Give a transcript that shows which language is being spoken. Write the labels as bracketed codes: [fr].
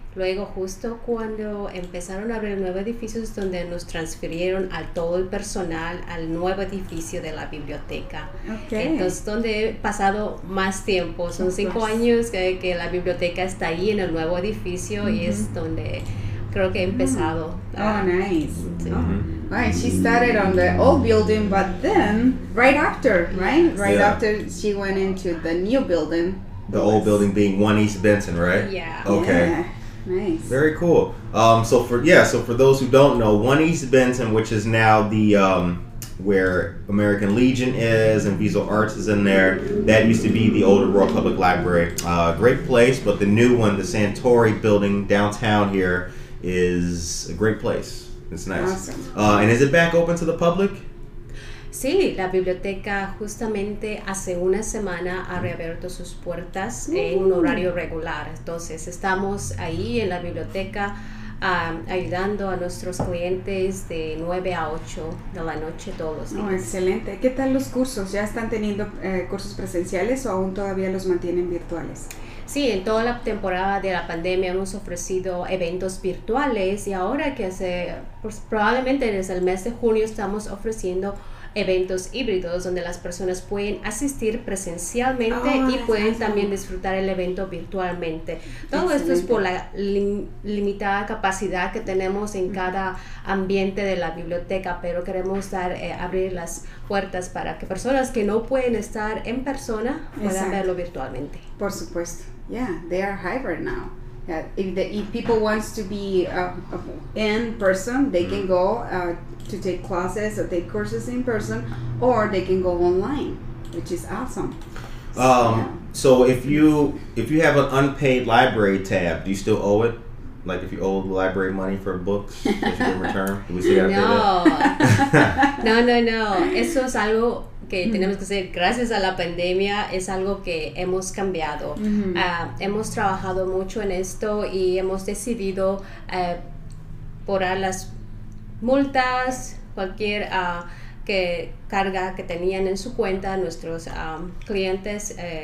[es] Luego, justo cuando empezaron a abrir el nuevo edificio, es donde nos transfirieron a todo el personal al nuevo edificio de la biblioteca. [en] Okay. [es] Entonces, donde he pasado más tiempo. Son 5 años que la biblioteca está ahí en el nuevo edificio, mm-hmm. y es donde creo que he empezado. [en] Oh, nice. Mm-hmm. Right, she started on the old building, but then, right after she went into the new building. The old building being 1 East Benson, right? Yeah. Okay. Yeah. Nice. Very cool. So for those who don't know, 1 East Benson, which is now the where American Legion is and Visual Arts is in there, that used to be the old Aurora Public Library. Great place, but the new one, the Santori building downtown here, is a great place. It's nice. Awesome. And is it back open to the public? [es] Sí, la biblioteca justamente hace una semana ha reabierto sus puertas en un horario regular. Entonces, estamos ahí en la biblioteca ayudando a nuestros clientes de 9 a 8 de la noche todos los días. Oh, excelente. ¿Qué tal los cursos? ¿Ya están teniendo cursos presenciales o aún todavía los mantienen virtuales? Sí, en toda la temporada de la pandemia hemos ofrecido eventos virtuales y ahora que probablemente desde el mes de junio estamos ofreciendo eventos híbridos donde las personas pueden asistir presencialmente y pueden también disfrutar el evento virtualmente. Todo esto es por la limitada capacidad que tenemos en cada ambiente de la biblioteca, pero queremos abrir las puertas para que personas que no pueden estar en persona puedan verlo virtualmente. Por supuesto. [en] Yeah, they are hybrid now. Yeah, if people wants to be in person, they can go to take classes or take courses in person, or they can go online, which is awesome. So if you have an unpaid library tab, do you still owe it? Like if you owe the library money for books, did you return? Did we say no. That? No. [es] Eso es algo que tenemos que hacer gracias a la pandemia, es algo que hemos cambiado. Hemos trabajado mucho en esto y hemos decidido borrar las multas, cualquier carga que tenían en su cuenta nuestros clientes.